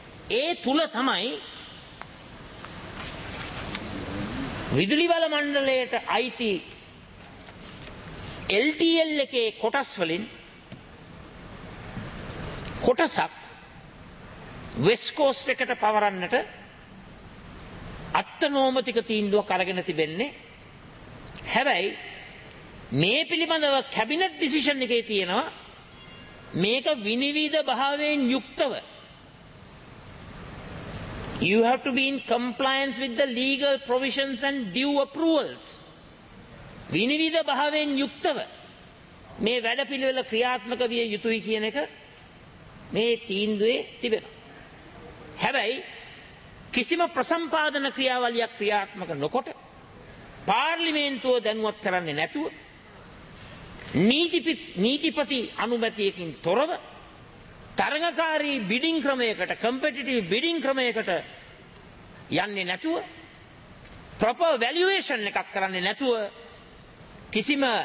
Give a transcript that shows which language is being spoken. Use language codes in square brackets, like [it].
[si] ඒ තුල තමයි විදුලි බල මණ්ඩලයට අයිති LTL එකේ කොටස් වලින් කොටසක් වෙස්කෝස් එකට පවරන්නට අත්නෝමතික තීන්දුවක් අරගෙන තිබෙන්නේ. හැබැයි මේ පිළිබඳව කැබිනට් ඩිසිෂන් එකේ තියෙනවා මේක විනිවිද භාවයෙන් යුක්තව [en] You have to be in compliance with the legal provisions and due approvals. [si] විනිවිද භාවයෙන් යුක්තව මේ වැඩපිළිවෙල ක්‍රියාත්මක විය යුතුයි කියන එක මේ තීන්දුවේ තිබෙනවා. හැබැයි කිසිම ප්‍රසම්පාදන ක්‍රියාවලියක් ක්‍රියාත්මක නොකොට පාර්ලිමේන්තුව දැනුවත් කරන්නේ නැතුව නීතිපති අනුමැතියකින් තොරව තරඟකාරී බිඩින් ක්‍රමයකට [en] competitive bidding [si] ක්‍රමයකට යන්නේ නැතුව [en] proper valuation [si] එකක් කරන්නේ නැතුව කිසිම